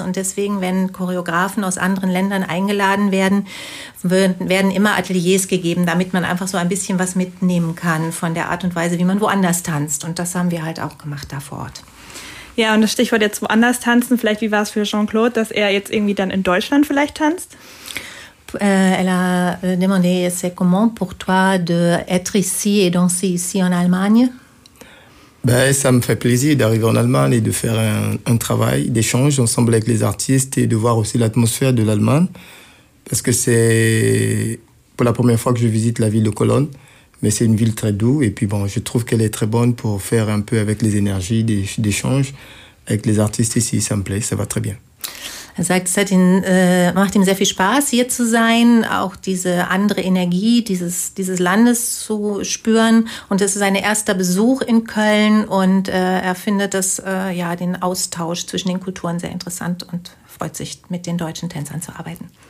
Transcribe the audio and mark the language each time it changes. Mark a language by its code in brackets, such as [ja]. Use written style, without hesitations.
[de] Und deswegen, wenn Choreografen aus anderen Ländern eingeladen werden, werden immer Ateliers gegeben, damit man einfach so ein bisschen was mitnehmen kann von der Art und Weise, wie man woanders tanzt. Und das haben wir halt auch gemacht da vor Ort. Ja, und das Stichwort jetzt woanders tanzen, vielleicht wie war es für Jean-Claude, dass er jetzt irgendwie dann in Deutschland vielleicht tanzt? [fr] Elle a demandé, c'est comment pour toi d'être ici et danser ici en Allemagne? Ben, ça me fait plaisir d'arriver en Allemagne et de faire un travail d'échange ensemble avec les artistes et de voir aussi l'atmosphère de l'Allemagne. Parce que c'est pour la première fois que je visite la ville de Cologne. Mais c'est une ville très douce et puis bon, je trouve qu'elle est très bonne pour faire un peu avec les énergies d'échange avec les artistes ici, ça me plaît, ça va très bien. [de] Er sagt, es hat ihn, macht ihm sehr viel Spaß, hier zu sein, auch diese andere Energie dieses Landes zu spüren. Und es ist sein erster Besuch in Köln und er findet das, den Austausch zwischen den Kulturen sehr interessant und freut sich, mit den deutschen Tänzern zu arbeiten.